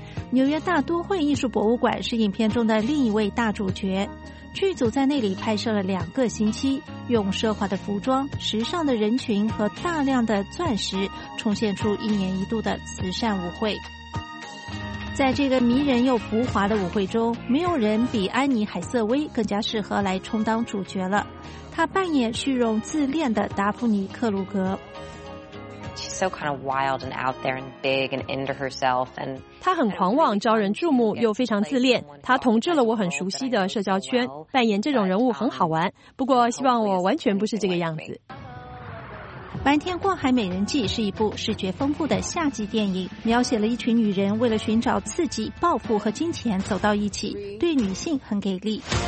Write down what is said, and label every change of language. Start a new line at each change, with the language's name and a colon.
Chinese: 纽约大都会艺术博物馆是影片中的另一位大主角，剧组在那里拍摄了2个星期，用奢华的服装、时尚的人群和大量的钻石重现出一年一度的慈善舞会。在这个迷人又浮华的舞会中，没有人比安妮·海瑟薇更加适合来充当主角了。她扮演虚荣自恋的达芙妮·克鲁格。
English: She's so kind of wild and out there and big and into herself. And
Chinese: 她很狂妄，招人注目，又非常自恋。她统治了我很熟悉的社交圈，扮演这种人物很好玩。不过，希望我完全不是这个样子。白天过海美人计是一部视觉丰富的夏季电影，描写了一群女人为了寻找刺激、报复和金钱走到一起，对女性很给力。